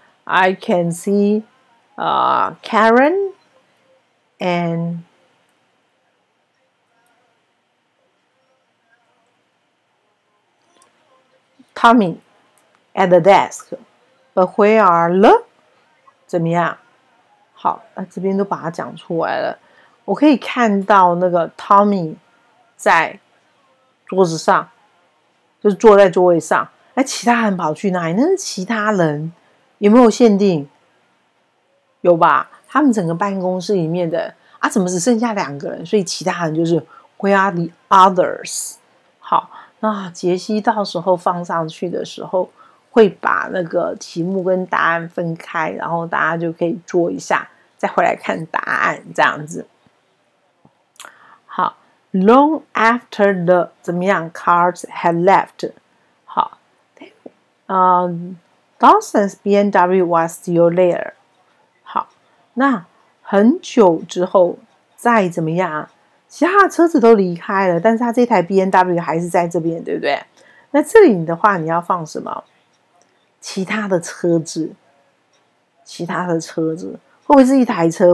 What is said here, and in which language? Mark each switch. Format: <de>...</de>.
<en>I can see Karen and Tommy at the desk. But where are the?</en> <zh>怎么样？好，这边都把它讲出来了。我可以看到那个 Tommy 在桌子上，就是坐在座位上。哎，其他人跑去哪里？那是其他人。有没有限定？有吧，他们整个办公室里面的啊，怎么只剩下两个人？所以其他人就是</zh> <en>Where are the others？</en> <zh>好，那杰西到时候放上去的时候会把那个题目跟答案分开，然后大家就可以做一下再回来看答案这样子。</zh> <en>好， Long after the</en> <zh>怎么样</zh> <en>cars had left， 好，Dawson's BMW was still there.</en> <zh>好，那很久之后再怎么样，其他车子都离开了，但是他这台 BMW 还是在这边，对不对？那这里的话你要放什么？其他的车子，其他的车子，会不会是一台车？</zh>